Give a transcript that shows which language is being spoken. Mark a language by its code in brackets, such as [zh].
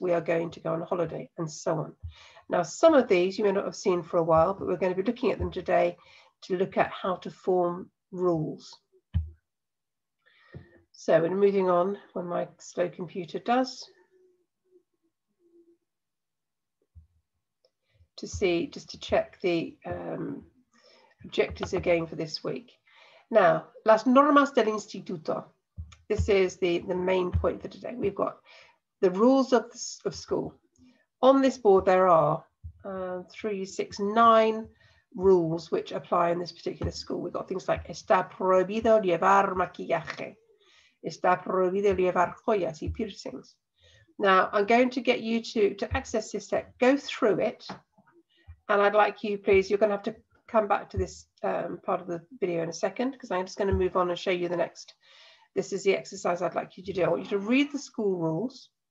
[en] We are going to go on holiday, and so on. Now, some of these you may not have seen for a while, but we're going to be looking at them today to look at how to form rules. So we're moving on when my slow computer does to see, just to check the objectives again for this week. [es] Now, las normas del instituto. [en] This is the main point for today. We've got the rules of school. On this board, there are 3, 6, 9 rules which apply in this particular school. We've got things like [es] está prohibido llevar maquillaje. Está prohibido llevar joyas y piercings. [en] Now, I'm going to get you to access this set, go through it. And I'd like you, please, you're going to have to come back to this part of the video in a second, because I'm just going to move on and show you the next. This is the exercise I'd like you to do. I want you to read the school rules.